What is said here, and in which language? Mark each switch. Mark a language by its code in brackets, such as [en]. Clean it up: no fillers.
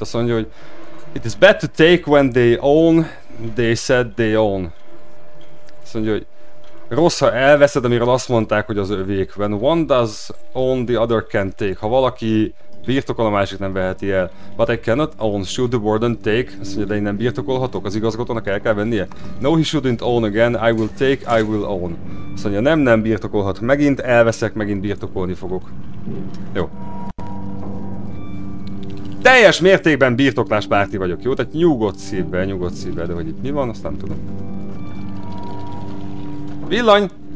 [hu] Azt mondja, hogy [en] it is bad to take when they own, they said they own. [hu] Azt mondja, hogy rossz, ha elveszed, amiről azt mondták, hogy az övék. [en] When one does own, the other can take. [hu] Ha valaki birtokol, a másik nem veheti el. [en] But I cannot own, should the warden take? [hu] Azt mondja, de én nem birtokolhatok, az igazgatónak el kell vennie. [en] No, he shouldn't own again, I will take, I will own. [hu] Azt mondja, nem birtokolhat. Megint elveszek, megint birtokolni fogok. Jó. Teljes mértékben birtoklás párti vagyok, jó? Tehát nyugodt szívvel, de hogy itt mi van, azt nem tudom. Villany!